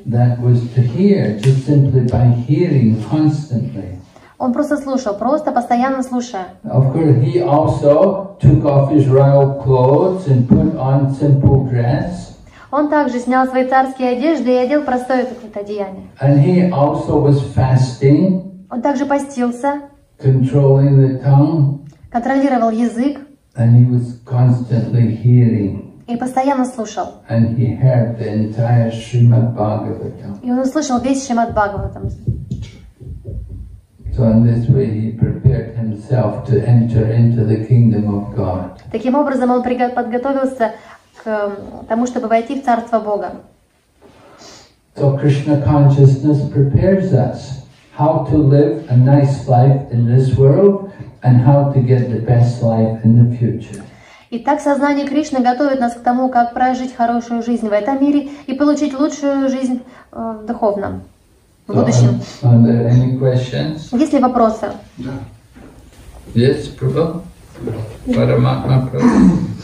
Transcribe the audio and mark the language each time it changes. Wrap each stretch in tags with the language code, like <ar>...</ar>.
<en>That was to hear, just simply by hearing constantly.</en> <ru>Он просто слушал, просто постоянно слушая.</ru> <en>Of course, he also took off his royal clothes and put on simple dress.</en> <ru>Он также снял свои царские одежды и одел простое какое-то одеяние.</ru> <en>And he also was fasting.</en> <ru>Он также постился.</ru> <en>Controlling the tongue.</en> <ru>Контролировал язык.</ru> <en>And he was constantly hearing.</en> <ru>И постоянно слушал.</ru> <en>And he heard the entire Srimad Bhagavatam.</en> <ru>И он услышал весь Шримад Бхагаватам.</ru> <en>So in this way he prepared himself to enter into the kingdom of God.</en> <ru>Таким образом он подготовился к тому, чтобы войти в царство Бога.</ru> <en>So Krishna consciousness prepares us how to live a nice life in this world and how to get the best life in the future.</en> <ru>Итак, сознание Кришны готовит нас к тому, как прожить хорошую жизнь в этом мире и получить лучшую жизнь в духовном.</ru> <en>So, are there any questions?</en> <ru>Есть ли вопросы? Да.</ru> <en>Yes, Prabhu? Paramatma Prabhu?</en>